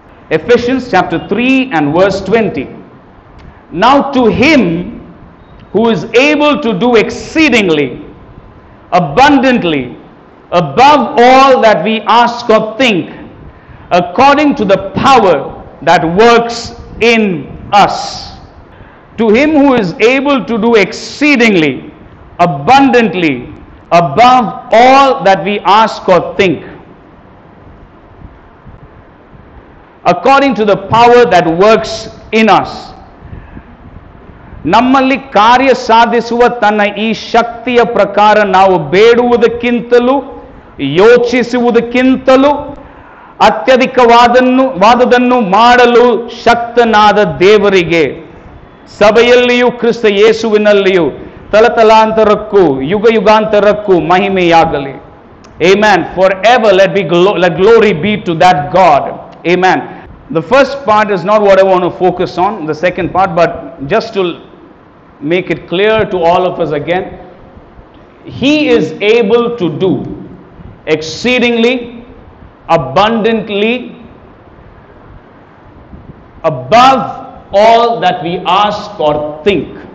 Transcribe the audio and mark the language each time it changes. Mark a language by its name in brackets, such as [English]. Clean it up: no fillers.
[English] Ephesians chapter 3 and verse 20. Now to him who is able to do exceedingly, abundantly, above all that we ask or think, according to the power that works in us. To him who is able to do exceedingly, abundantly above all that we ask or think, according to the power that works in us. [Kannada] ನಮ್ಮಲ್ಲಿ ಕಾರ್ಯ ಸಾಧಿಸುವ ತನ್ನ ಈ ಶಕ್ತಿಯ ಪ್ರಕಾರ ನಾವು ಬೇಡುವುದಕ್ಕಿಂತಲೂ ಯೋಚಿಸುವುದಕ್ಕಿಂತಲೂ ಅತ್ಯಧಿಕವಾದದನ್ನು ಮಾಡಲು ಶಕ್ತನಾದ ದೇವರಿಗೆ ಸಭೆಯಲ್ಲಿಯೂ ಕ್ರಿಸ್ತ ಯೇಸುವಿನಲ್ಲಿಯೂ ತಲತಲಾಂತರಕ್ಕೂ ಯುಗ ಯುಗಾಂತರಕ್ಕೂ ಮಹಿಮೆಯಾಗಲಿ. [English] Amen. Forever let be let glory be to that God. Amen. The first part is not what I want to focus on, the second part, but just to make it clear to all of us again, he is able to do exceedingly abundantly above all that we ask or think.